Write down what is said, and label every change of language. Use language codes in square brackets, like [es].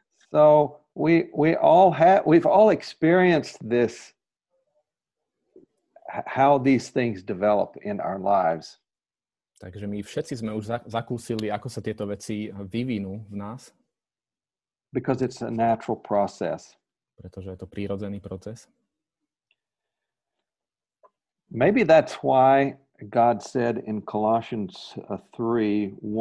[en] So we've all experienced this, how these things develop in our lives. [sk] Takže my všetci sme už zakúsili, ako sa tieto veci vyvinú v nás. [en] Because it's a natural process. [sk] Pretože je to prírodzený proces. [en] Maybe that's why God said in Colossians 3:1-3.